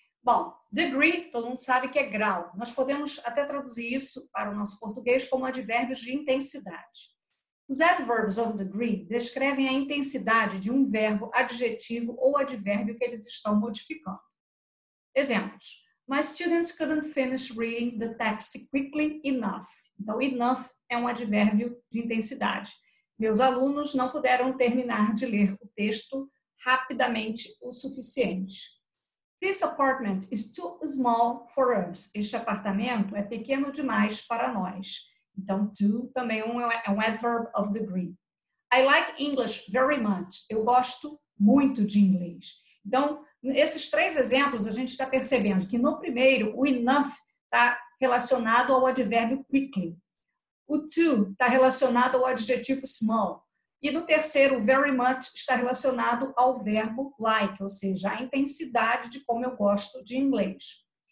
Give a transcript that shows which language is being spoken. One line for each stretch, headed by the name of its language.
Portuguese: Bom, degree, todo mundo sabe que é grau. Nós podemos até traduzir isso para o nosso português como advérbios de intensidade. Os adverbs of degree descrevem a intensidade de um verbo, adjetivo ou advérbio que eles estão modificando. Exemplos.
English: My students couldn't finish reading the text quickly enough.
Portuguese: Então, enough é um advérbio de intensidade. Meus alunos não puderam terminar de ler o texto rapidamente o suficiente.
English: This apartment is too small for us.
Portuguese: Este apartamento é pequeno demais para nós. Então, too também é um adverb of degree.
English: I like English very much.
Portuguese: Eu gosto muito de inglês. Então, esses três exemplos, a gente está percebendo que no primeiro, o enough está relacionado ao advérbio quickly. O too está relacionado ao adjetivo small. E no terceiro, o very much está relacionado ao verbo like, ou seja, a intensidade de como eu gosto de inglês.